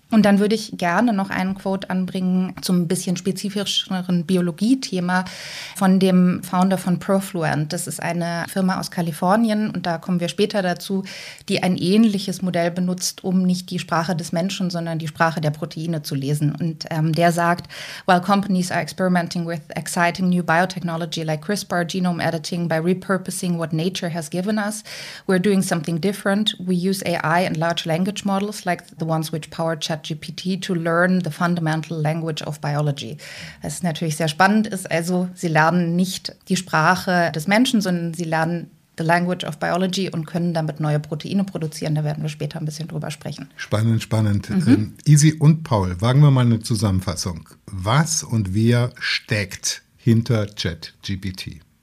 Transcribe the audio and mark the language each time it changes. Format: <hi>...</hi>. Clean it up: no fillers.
<de>Und dann würde ich gerne noch einen Quote anbringen zum ein bisschen spezifischeren Biologie-Thema von dem Founder von Profluent. Das ist eine Firma aus Kalifornien und da kommen wir später dazu, die ein ähnliches Modell benutzt, um nicht die Sprache des Menschen, sondern die Sprache der Proteine zu lesen.</de> <en>Und der sagt, while companies are experimenting with exciting new biotechnology like CRISPR genome editing by repurposing what nature has given us, we're doing something different. We use AI and large language models like the ones which power ChatGPT to learn the fundamental language of biology.</en> <de>Was natürlich sehr spannend ist, also sie lernen nicht die Sprache des Menschen, sondern sie lernen</de> <en>the language of biology</en> <de>und können damit neue Proteine produzieren. Da werden wir später ein bisschen drüber sprechen. Spannend, spannend. Mhm. Isi und Paul, wagen wir mal eine Zusammenfassung. Was und wer steckt hinter ChatGPT?</de>